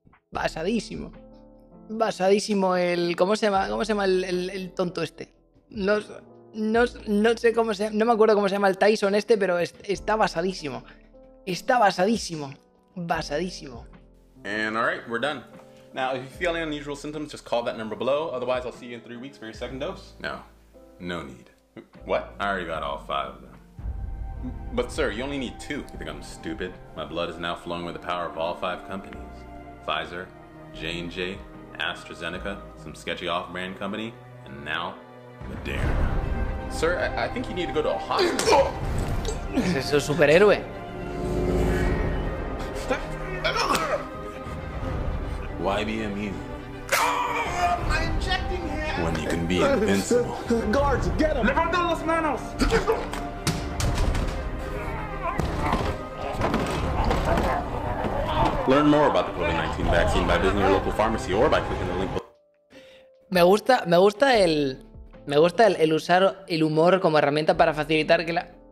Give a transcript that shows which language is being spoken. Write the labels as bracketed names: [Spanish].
[Spanish] Basadísimo. Basadísimo el... ¿Cómo se llama el tonto este? No sé cómo se llama. No me acuerdo cómo se llama el Tyson este, pero está basadísimo. Está basadísimo. Basadísimo. [English] And all right, we're done. Now, if you feel any unusual symptoms, just call that number below. Otherwise, I'll see you in 3 weeks for your second dose. No. No need. What? I already got all 5 of them. But sir, you only need 2. You think I'm stupid? My blood is now flowing with the power of all 5 companies. Pfizer, J&J, AstraZeneca, some sketchy off-brand company, and now, Moderna. Sir, I think you need to go to a hospital. [Spanish] Es un superhéroe. [English] Why be immune? I'm injecting him! When you can be invincible. Guards, get him! [Spanish] Levanta las manos! [English] Learn more about the COVID-19 vaccine by visiting your local pharmacy or by clicking the link. [Spanish] Me gusta el usar el humor como herramienta para facilitar que la...